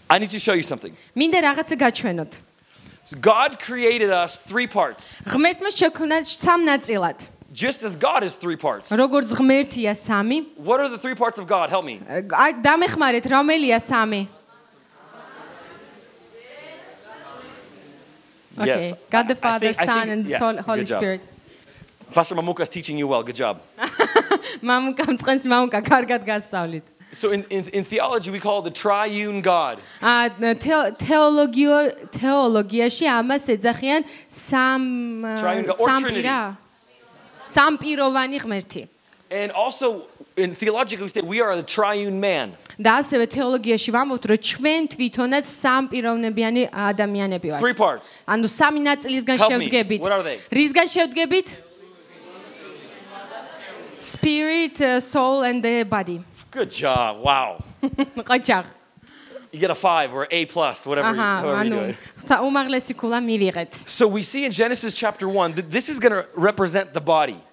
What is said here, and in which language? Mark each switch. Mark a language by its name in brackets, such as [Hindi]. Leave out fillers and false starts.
[English] I need to show you something. [Georgian] მინდა რაღაცა გაჩვენოთ. [English] So God created us three parts. [Georgian] ღმერთმა შექმნა სამ ნაწილად. [English] Just as God is three parts. [Georgian] როგორც ღმერთია სამი. [English] What are the three parts of God? Help me. [Georgian] დამეხმარეთ, რომელია სამი? [English] Yes. God the Father, Son, and Holy Spirit. Pastor Mamuka is teaching you well. Good job. [Georgian] მამუკა კარგად გასწავლით. [English] So in theology we call the triune God. [Georgian] Theologiaში ამას ეძახიან სამპიროვანი ღმერთი. [English] And also in theology we say we are the triune man. [Georgian] Და ასევე თეოლოგიაში ვამბობთ, რომ ჩვენ თვითონაც სამპიროვნებიანი ადამიანები ვართ. [English] Three parts. [Georgian] ანუ სამი ნაწილისგან შევდგებით. რისგან შევდგებით? [English] Spirit, soul and the body. Good job. Wow. Good job. You get a 5 or A+, whatever you do. It. So we see in Genesis chapter 1 that this is going to represent the body.